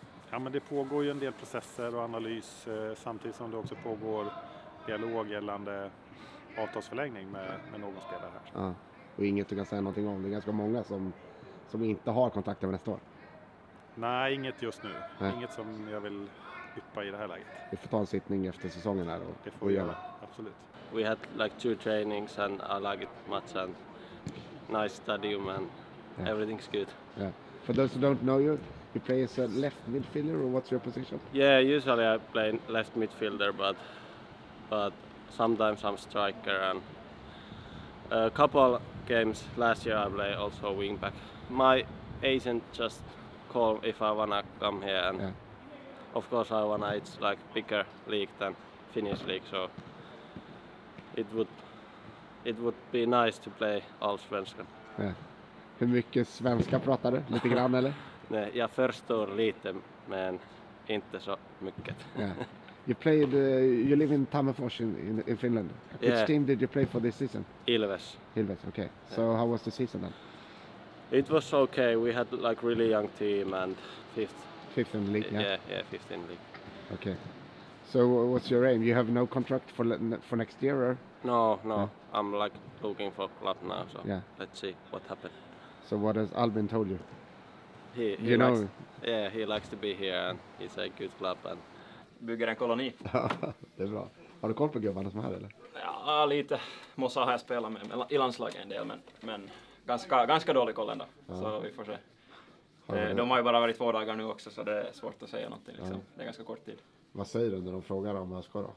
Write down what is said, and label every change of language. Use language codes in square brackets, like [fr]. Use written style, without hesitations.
[sv] Ja, men det pågår ju en del processer och analys samtidigt som det också pågår dialog gällande avtalsförlängning med någon spelare här. Ja, och inget du kan säga någonting om. Det är ganska många som inte har kontakter med nästa år. Nej, inget just nu. Nej. Inget som jag vill yppa i det här läget. Vi får ta en sittning efter säsongen här och det får vi göra. Absolut. [en] We had like 2 trainings and I liked match and nice stadium and everything's good. Yeah. For those who don't know you, you play as a left midfielder, or what's your position? Yeah, usually I play left midfielder, but sometimes I'm striker, and a couple games last year I play also wing back. My agent just called if I wanna come here, and of course I wanna. It's like bigger league than Finnish league, so it would be nice to play Allsvenskan. Yeah. [sv] Hur mycket svenska pratar du? Lite grann eller? Nej, jag förstår lite, men inte så mycket. [en] Yeah. You live in Tammerfors in Finland. Which team did you play for this season? Ilves. Ilves, okay. So how was the season then? It was okay. We had like really young team and fifth in the league. Yeah. Yeah, fifth in the league. Okay. So what's your aim? You have no contract for next year or? No. Yeah. I'm like looking for club now, so let's see what happens. So what has Albin told you? He likes to be here and he's a good club and [sv] bygger en koloni. Det är bra. Har du koll på gubbarna som är här eller? Ja, lite. Mossa har jag spelat med i landslaget en del, men ganska dålig koll ändå. Ja. Så vi får se. De har ju bara varit 2 dagar nu också, så det är svårt att säga någonting. Liksom. Ja. Det är ganska kort tid. Vad säger du när de frågar om ÖSK då?